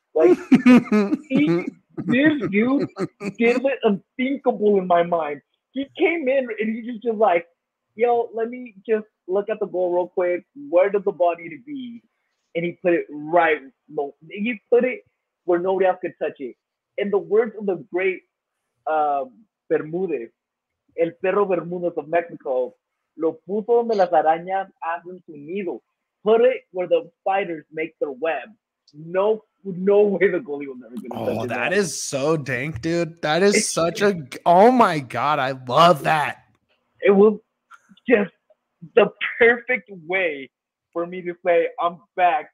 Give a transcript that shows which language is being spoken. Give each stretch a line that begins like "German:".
English: Like, this dude did it unthinkable in my mind. He came in and he just like, yo, let me just look at the goal real quick. Where did the ball need to be? And he put it right. He put it where nobody else could touch it. In the words of the great Bermudez,
Spanish: el perro Bermudez
English: of Mexico,
Spanish: lo puso donde las arañas hacen su nido.
English: Put it where the spiders make their web. No way the goalie will never get touch it. Oh, that is so dank, dude. That is such a – oh, my God. I love that. It was – just the perfect way for me to say, I'm back.